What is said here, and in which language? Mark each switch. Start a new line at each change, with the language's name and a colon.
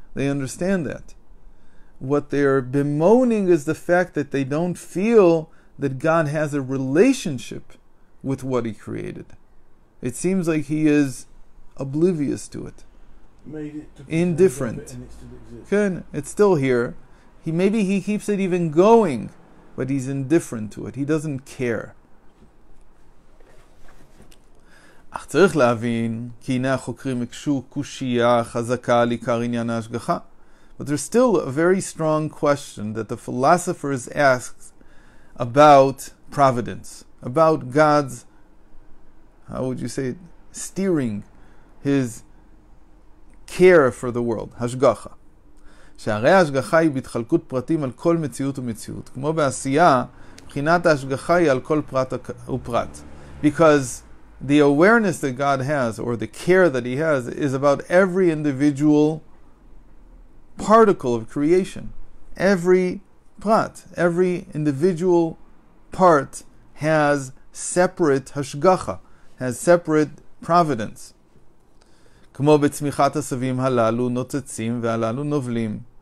English: They understand that. What they're bemoaning is the fact that they don't feel that God has a relationship with what he created. It seems like he is oblivious to it. Made it to indifferent. It still it's still here. Maybe he keeps it even going, but he's indifferent to it. He doesn't care.
Hebrew: אך צריך להבין כי הנה החוקרים הקשו קושייה חזקה על עיקר עניין ההשגחה.
English: But there's still a very strong question that the philosophers asked about providence, about God's, how would you say it, steering his care for the world, השגחה.
Hebrew: שהרי ההשגחה היא בהתחלקות פרטים על כל מציאות ומציאות. כמו בעשייה, בחינת ההשגחה היא על כל פרט ופרט.
English: Because the awareness that God has, or the care that he has, is about every individual particle of creation. Every prat, every individual part has separate hashgacha, has separate providence.
Hebrew: כמו בצמיחת הסבים הללו נוצצים והללו נובלים.